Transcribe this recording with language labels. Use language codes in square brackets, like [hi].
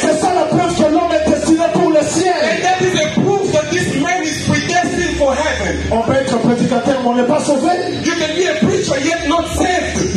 [fr] C'est ça la preuve que l'homme est destiné pour le ciel. [en] And that is a proof that this man is predestined for heaven. [fr] On peut être prédicateur, mais on n'est pas sauvé. [en] You can be a preacher yet not saved.